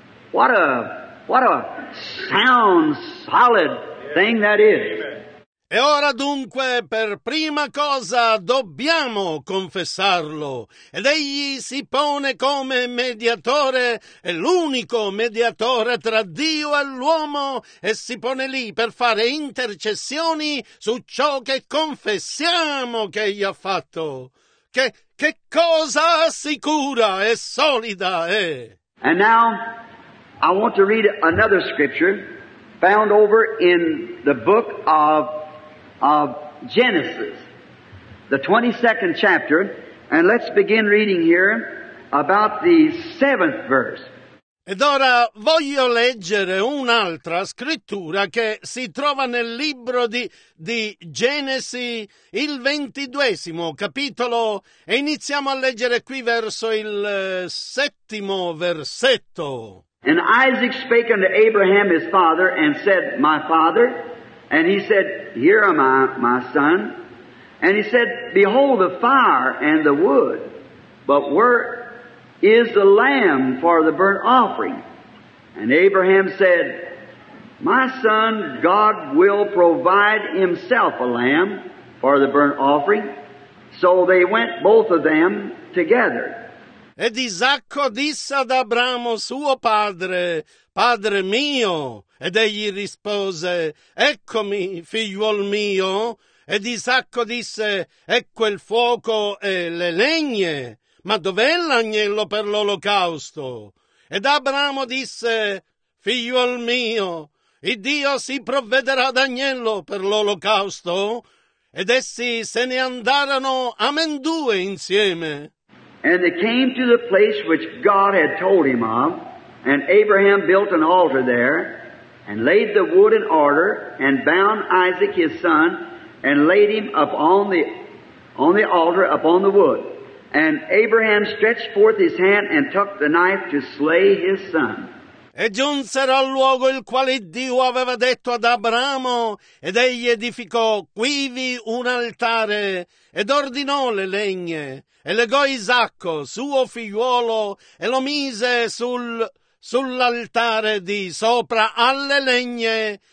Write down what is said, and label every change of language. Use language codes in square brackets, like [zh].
[en] What a sound, solid thing that is. [it] E ora dunque, per prima cosa, dobbiamo confessarlo. Ed egli si pone come mediatore, è l'unico mediatore tra Dio e l'uomo, e si pone lì per fare intercessioni su ciò che confessiamo che egli ha fatto. Che cosa sicura e solida è! [en] And now, I want to read another scripture found over in the book of Genesis, the 22nd chapter, and let's begin reading here about the 7th verse. [it] Ed ora voglio leggere un'altra scrittura che si trova nel libro di Genesi, il 22° capitolo, e iniziamo a leggere qui verso il 7° versetto. [en] And Isaac spake unto Abraham his father, and said, My father. And he said, Here am I, my son. And he said, Behold the fire and the wood, but where is the lamb for the burnt offering? And Abraham said, My son, God will provide himself a lamb for the burnt offering. So they went both of them together. [it] Ed Isacco disse ad Abramo suo padre, padre mio, ed egli rispose, eccomi, figliuol mio. Ed Isacco disse, ecco il fuoco e le legne, ma dov'è l'agnello per l'olocausto? Ed Abramo disse, figliuol mio, il Dio si provvederà d'agnello per l'olocausto. Ed essi se ne andarono amendue insieme. [en] And they came to the place which God had told him of, and Abraham built an altar there, and laid the wood in order, and bound Isaac his son, and laid him upon the altar upon the wood. And Abraham stretched forth his hand and took the knife to slay his son. [it] E giunsero al luogo il quale Dio aveva detto ad Abramo, ed egli edificò quivi un altare, ed ordinò le legne, e legò Isacco, suo figliuolo, e lo mise sull'altare di sopra alle legne.